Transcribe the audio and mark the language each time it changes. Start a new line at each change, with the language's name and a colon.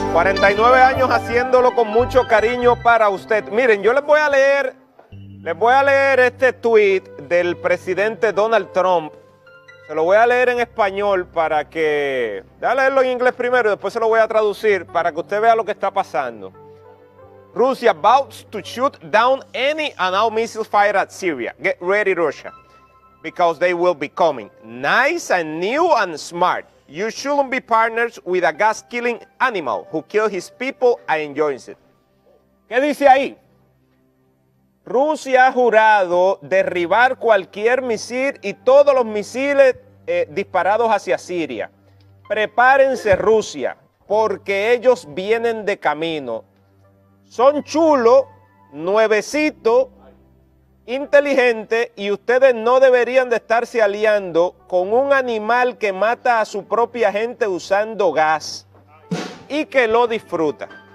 Spanish: 49 años haciéndolo con mucho cariño para usted. Miren, yo les voy a leer. Les voy a leer este tweet del presidente Donald Trump. Se lo voy a leer en español para que... Voy a leerlo en inglés primero y después se lo voy a traducir para que usted vea lo que está pasando.
English: Rusia vows to shoot down any and all missiles fired at Syria. Get ready, Russia. Because they will be coming. Nice and new and smart. You shouldn't be partners with a gas-killing animal who kills his people and enjoys it.
Spanish: ¿Qué dice ahí? Rusia ha jurado derribar cualquier misil y todos los misiles disparados hacia Siria. Prepárense, Rusia, porque ellos vienen de camino. Son chulos, nuevecitos, inteligentes, y ustedes no deberían de estarse aliando con un animal que mata a su propia gente usando gas y que lo disfruta.